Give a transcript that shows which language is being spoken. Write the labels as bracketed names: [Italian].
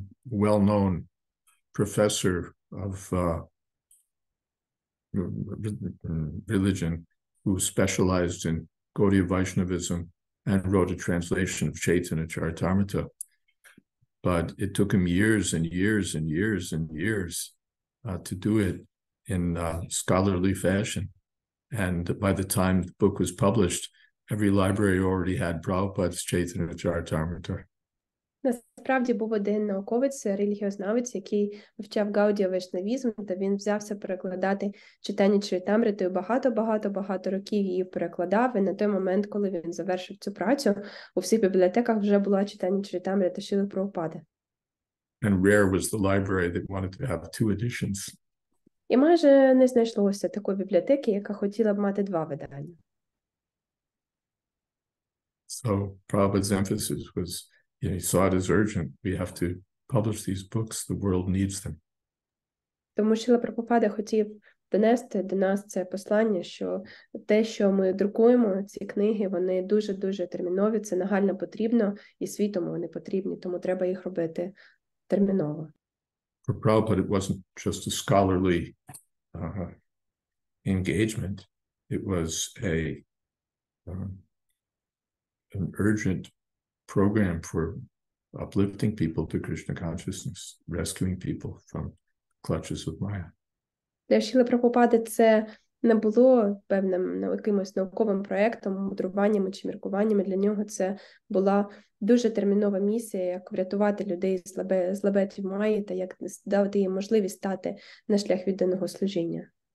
[English] Well-known professor of religion who specialized in Gaudiya Vaishnavism and wrote a translation of Chaitanya Charitamrita. But it took him years and years and years and years to do it in scholarly fashion. And by the time the book was published, every library already had Prabhupada's Chaitanya Charitamrita. [Ukrainian] Насправді був один науковець, релігіознавець, який вивчав Гаудія Вайшнавізм, та він взявся перекладати читання Чайтамрити багато років її перекладав, і на той момент, коли він завершив цю працю, у всіх бібліотеках вже була читання Чайтамрити Шіли Прабхупади. [English] And rare was the library that wanted to have two editions. [Ukrainian] І майже не знайшлося такої бібліотеки, яка хотіла б мати 2 видання. [English] So Prabhupada's emphasis was, you know, he saw it as urgent. We have to publish these books. The world needs them. [Ukrainian] Тому Шіла Прабхупада хотів донести до нас це послання, що те, що ми друкуємо, ці книги, вони дуже-дуже термінові, це нагально потрібно, і світому вони потрібні, тому треба їх робити терміново. [English] For Prabhupada, it wasn't just a scholarly engagement. It was an urgent program for uplifting people to Krishna consciousness, rescuing people from clutches of Maya. [Ukrainian] Для Шіли Прабхупади це не було певним якимось науковим проєктом, мудруваннями чи міркуваннями. Для нього це була дуже термінова місія, як врятувати людей з лабетів Майі та як дати їм можливість стати на шлях відданого служіння.